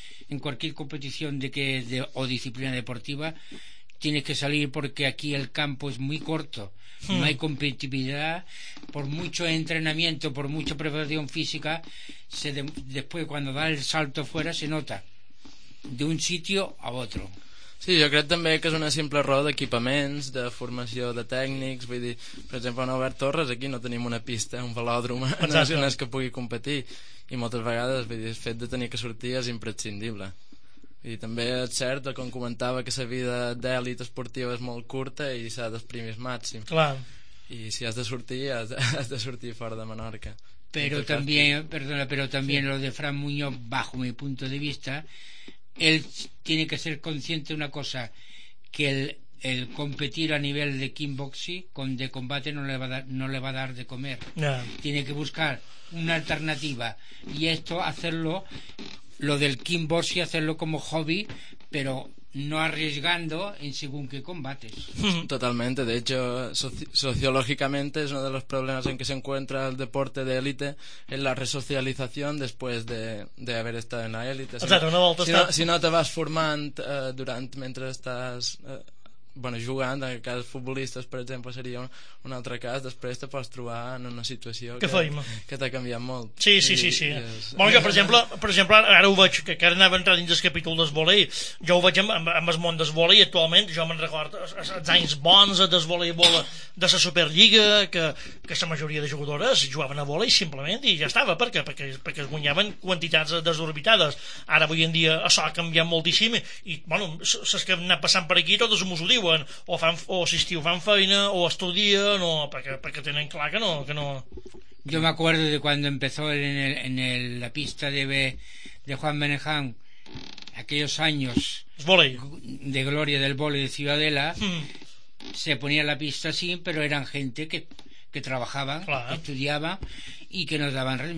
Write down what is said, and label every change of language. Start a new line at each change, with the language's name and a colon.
Spanish: En cualquier competición o disciplina deportiva, tienes que salir, porque aquí el campo es muy corto, no hay competitividad, por mucho entrenamiento, por mucha preparación física, después cuando da el salto fuera se nota de un sitio a otro.
Catalan: Sí, jo crec també que és una simple raó d'equipaments, de formació de tècnics, vull dir, per exemple, en Albert Torres aquí no tenim una pista, un velòdrom on és que pugui competir, i moltes vegades, vull dir, el fet de tenir que sortir és imprescindible. I també és cert, com comentava, que la vida d'èlit esportiva és molt curta i s'ha d'exprimir al màxim. Clar. I si has de sortir, has de sortir fora de Menorca. Però també, perdona, però també sí.
Spanish: Lo de Fran Muñoz, bajo mi punto de vista, él tiene que ser consciente de una cosa, que el competir a nivel de kickboxing con de combate no le va a dar de comer. No. Tiene que buscar una alternativa, y esto hacerlo, lo del kickboxing, hacerlo como hobby, pero no arriesgando en según qué combates. Totalmente, de hecho, sociológicamente es uno de los problemas en que se encuentra el deporte de élite, en la resocialización después de haber estado en la élite.
Catalan: Si no te vas formant mentre estàs jugant, en el cas futbolistes, per exemple, seria un altre cas, després te pots trobar en una situació que t'ha canviat molt. Sí. Bueno, jo, per exemple, ara ho veig, que ara anava a entrar dins el capítol d'esvolei, jo ho veig amb el món d'esvolei actualment, jo me'n recordo els anys bons d'esvoleibol de la Superliga, que la majoria de jugadores jugaven a volei simplement i ja estava, perquè es guanyaven quantitats desorbitades. Ara, avui en dia, això ha canviat moltíssim i, bueno, saps que anar passant per aquí totes m'ho diuen, o fan feina o estudien, o perquè tenen clar que no.
Spanish: Yo me acuerdo de cuando empezó en el la pista de Juan Menejan, aquellos años de gloria del vóley de Ciudadela. Se ponía la pista así, pero eran gente que trabajaban, claro, estudiaban y que nos daban.